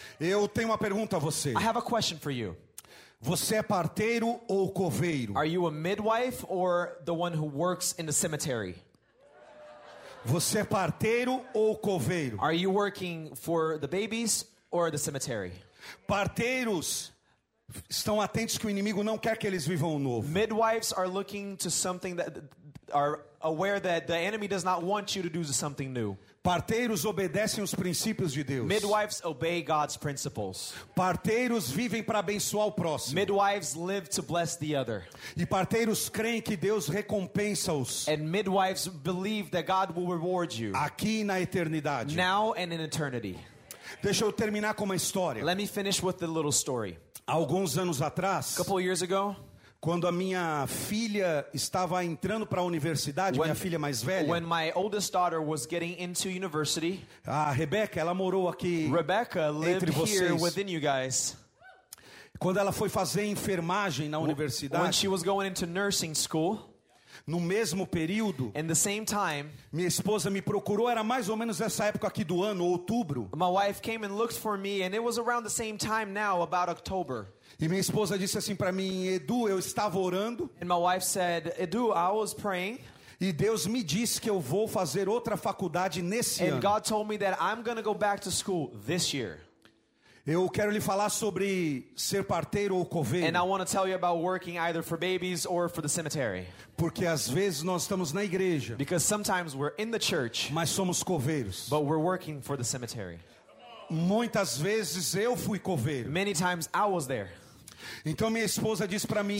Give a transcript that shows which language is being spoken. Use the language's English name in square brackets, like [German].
[Portuguese] Eu tenho uma pergunta a você. [English] I have a question for you. [Portuguese] Você é parteiro ou coveiro? [English] Are you a midwife or the one who works in the cemetery? [Portuguese] Você é parteiro ou coveiro? [English] Are you working for the babies or the cemetery? [Portuguese] Parteiros estão atentos que o inimigo não quer que eles vivam o novo. [English] Midwives are looking to something that are aware that the enemy does not want you to do something new. [Portuguese] Parteiros obedecem os princípios de Deus. [English] Midwives obey God's principles. [Portuguese] Parteiros vivem para abençoar o próximo. [English] Midwives live to bless the other. [Portuguese] E parteiros creem que Deus recompensa-os. [English] And midwives believe that God will reward you. [Portuguese] Aqui na eternidade. [English] Now and in eternity. [Portuguese] Deixa eu terminar com uma história. [English] Let me finish with a little story. [Portuguese] Alguns anos atrás, [English] couple years ago, [Portuguese] quando a minha filha estava entrando para a universidade, minha filha mais velha, [English] when my oldest daughter was getting into university, [Portuguese] a Rebeca, ela morou aqui, [English] Rebecca lived [Portuguese] entre vocês, [English] here within you guys. [Portuguese] Quando ela foi fazer enfermagem na universidade, [English] when she was going into nursing school, [Portuguese] no mesmo período, [English] in the same time, [Portuguese] minha esposa me procurou, era mais ou menos essa época aqui do ano, outubro. [English] My wife came and looked for me, and it was around the same time now, about October. [Portuguese] E minha esposa disse assim para mim, Edu, eu estava orando. [English] And my wife said, Edu, I was praying. [Portuguese] E Deus me disse que eu vou fazer outra faculdade nesse [English] and [Portuguese] ano. [English] God told me that I'm going to go back to school this year. [Portuguese] Eu quero lhe falar sobre ser parteiro ou coveiro. [English] And I want to tell you about working either for babies or for the cemetery. [Portuguese] Porque às vezes nós estamos na igreja. [English] Because sometimes we're in the church. [Portuguese] Mas somos coveiros. [English] But we're working for the cemetery. [Portuguese] Muitas vezes eu fui coveiro. [English] Many times I was there. [Portuguese] Então minha esposa disse para mim,